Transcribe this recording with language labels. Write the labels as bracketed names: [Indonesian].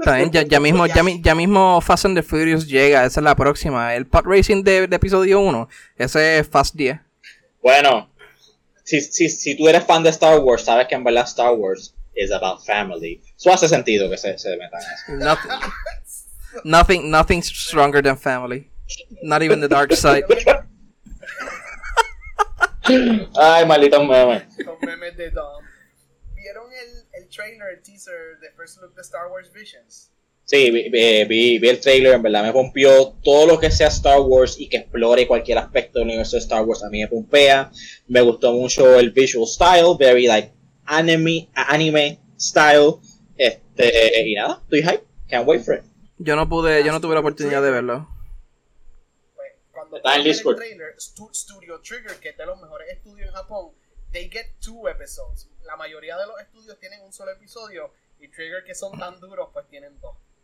[Spanish] También ya mismo Fast and the Furious llega, esa es la próxima, el pod racing de episodio 1, ese es Fast 10. Bueno, si tú eres fan de Star Wars, sabes que en verdad Star Wars [English] is about family. [Spanish] Eso hace sentido que se metan en eso. [English] Nothing stronger than family. Not even the dark side. [Spanish] Ay, maldito meme. Con memes de Dom. ¿Vieron el trailer, el teaser de First Look de Star Wars Visions? Sí, vi el trailer, en verdad me pompió. Todo lo que sea Star Wars y que explore cualquier aspecto del universo de Star Wars a mí me pompea. Me gustó mucho el visual style, [English] very like anime style. [Spanish] Y nada, estoy hype, [English] can't wait for it. [Spanish] Yo no tuve la oportunidad de verlo. Está en el trailer, Studio Trigger, que es de los mejores estudios en Japón, [English] they get 2 episodes. [Spanish] La mayoría de los estudios tienen un solo episodio, y Trigger, que son tan duros, pues tienen 2.